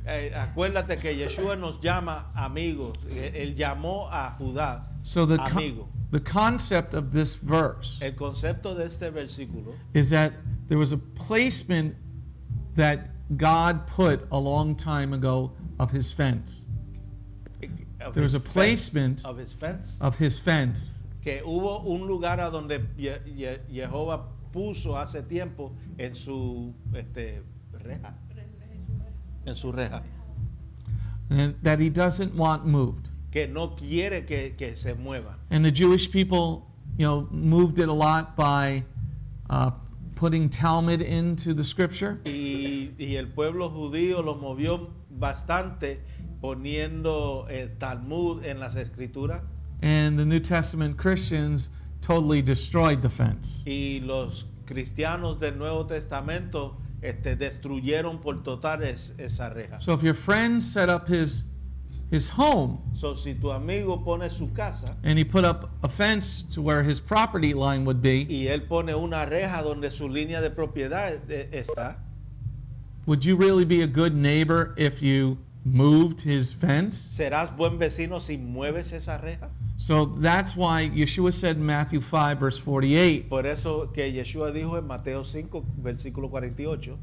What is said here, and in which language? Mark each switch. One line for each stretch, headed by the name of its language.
Spanish: Acuérdate que Yeshua nos llama amigos. Él llamó a Judas so the amigo.
English: The concept of this verse,
Spanish: el concepto de este versículo,
English: is that there was a placement that God put a long time ago of his fence. There was a placement of his fence. Of his fence.
Spanish: Que hubo un lugar a donde Jehová puso hace tiempo en su reja. En su reja.
English: And that he doesn't want moved.
Spanish: Que no quiere que se mueva.
English: And the Jewish people, you know, moved it a lot by putting Talmud into the scripture.
Spanish: Y el pueblo judío lo movió bastante poniendo el Talmud en las escrituras.
English: And the New Testament Christians totally destroyed the fence.
Spanish: Y los cristianos del Nuevo Testamento destruyeron por total esa reja.
English: So if your friend set up his home,
Spanish: so si tu amigo pone su casa,
English: and he put up a fence to where his property line would be,
Spanish: y él pone una reja donde su línea de propiedad está,
English: would you really be a good neighbor if you moved his fence?
Spanish: ¿Serás buen vecino si mueves esa reja?
English: So that's why Yeshua said in Matthew 5, verse 48,
Spanish: por eso que Yeshua dijo en Mateo 5, versículo 48,